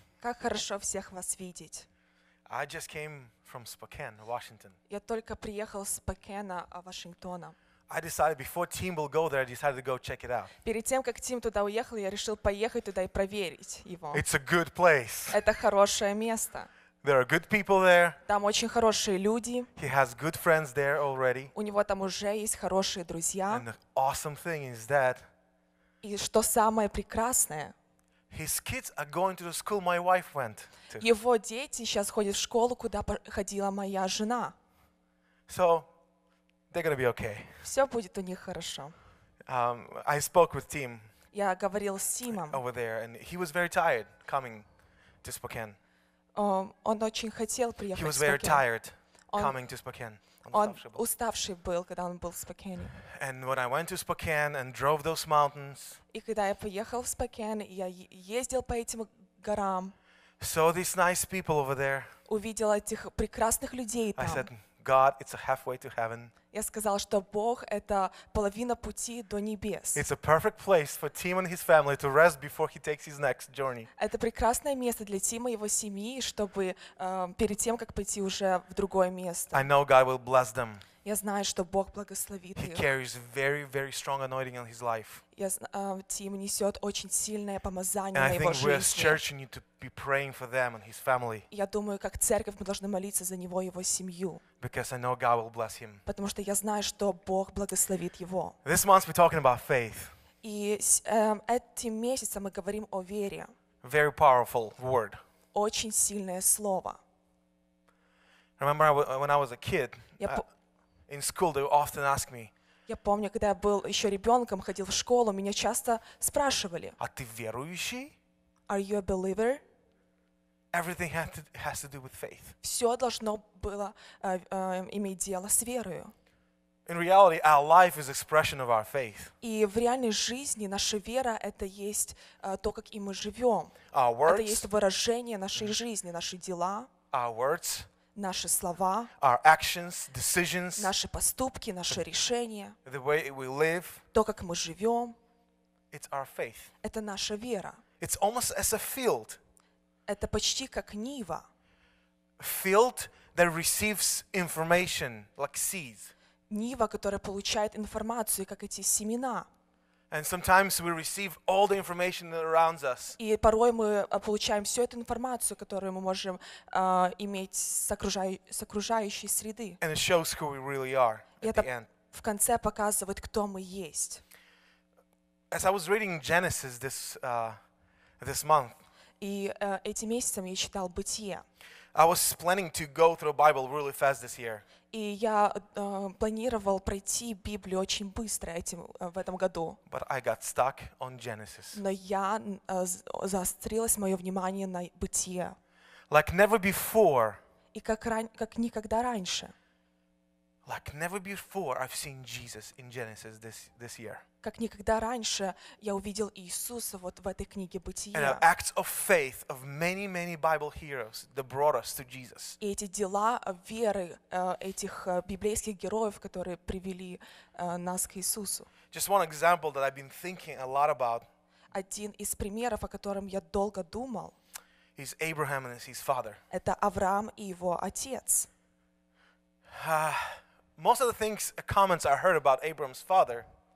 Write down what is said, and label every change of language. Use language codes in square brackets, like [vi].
[ru] Как хорошо всех вас видеть. [en] I just came from Spokane, Washington. [ru] Я только приехал из Спокана, Вашингтона. [en] I decided before Tim will go there, I decided to go check it out. [ru] Перед тем как Тим туда уехал, я решил поехать туда и проверить его. [en] It's a good place. [ru] Это хорошее место. [en] There are good people there. [ru] Там очень хорошие люди. [en] He has good friends there already. [ru] У него там уже есть хорошие друзья. [en] And the awesome thing is that. [ru] И что самое прекрасное? [en] His kids are going to the school my wife went to. [ru] Его дети сейчас ходят в школу, куда ходила моя жена. [en] So, they're going to be okay. [ru] Все будет у них хорошо. [en] I spoke with Tim. [ru] Я говорил с Тимом. [en] Over there, and he was very tired coming to Spokane. [ru] Он очень хотел приехать в Спокан. [en] He was very tired coming to Spokane. [ru] Он уставший был, когда он был в Спокане. [en] And when I went to Spokane and drove those mountains. [ru] И когда я поехал в Спокан, я ездил по этим горам. [en] Saw these nice people over there. [ru] Увидел этих прекрасных людей там. [en] I said, God, it's a halfway to heaven. [ru] Я сказал, что Бог это половина пути до небес. [en] It's a perfect place for Tim and his family to rest before he takes his next journey. [ru] Это прекрасное место для Тима и его семьи, чтобы перед тем как пойти уже в другое место. [en] I know God will bless them. [ru] Я знаю, что Бог благословит их. [en] He carries very, very strong anointing on his life. [ru] Тим несет очень сильное помазание на его жизни. [en] And I think we as church need to be praying for them and his family. [ru] Я думаю, как церковь мы должны молиться за него и его семью. [en] Because I know God will bless him. [ru] Потому что я знаю, что Бог благословит его. [en] This month we're talking about faith. [ru] И этим месяцем мы говорим о вере. [en] Very powerful word. [ru] Очень сильное слово. [en] Remember when I was a kid? In school, they often ask me. [ru] Я помню, когда я был еще ребенком, ходил в школу, меня часто спрашивали. А ты верующий? [en] Are you a believer? Everything has to do with faith. [ru] Все должно было иметь дело с верою. [en] In reality, our life is expression of our faith. [ru] И в реальной жизни наша вера это есть то, как и мы живем. [en] Our words. [ru] Это есть выражение нашей жизни, наши дела. [en] Our words. [ru] Наши слова, [en] our actions, decisions, [ru] наши поступки, наши решения, [en] the way we live, [ru] то, как мы живем, [en] it's our faith. [ru] Это наша вера. [en] It's almost as a field. [ru] Это почти как нива. [en] Field that receives information, like seeds. [ru] Нива, которая получает информацию, как эти семена. [en] And sometimes we receive all the information that surrounds us. [ru] И порой мы получаем всю эту информацию, которую мы можем иметь с окружающей среды. [en] And it shows who we really are at the end. [ru] В конце показывает, кто мы есть. [en] As I was reading Genesis this month. [ru] И эти месяцы я читал Бытие. [en] I was planning to go through the Bible really fast this year. [ru] И я планировал пройти Библию очень быстро в этом году. [en] But I got stuck on Genesis. [ru] Но я заострилось мое внимание на Бытие. [en] Like never before. [ru] И как никогда раньше. [en] Like never before I've seen Jesus in Genesis this year. [ru] Как никогда раньше я увидел Иисуса вот в этой книге Бытия. [en] And the acts of faith of many, many Bible heroes that brought us to Jesus. [ru] И эти дела веры этих библейских героев, которые привели нас к Иисусу. [en] Just one example that I've been thinking a lot about. [ru] Один из примеров, о котором я долго думал. [en] Is Abraham and his father. [ru] Это Авраам и его отец. [en] Most of the things, comments I heard about Abraham's father.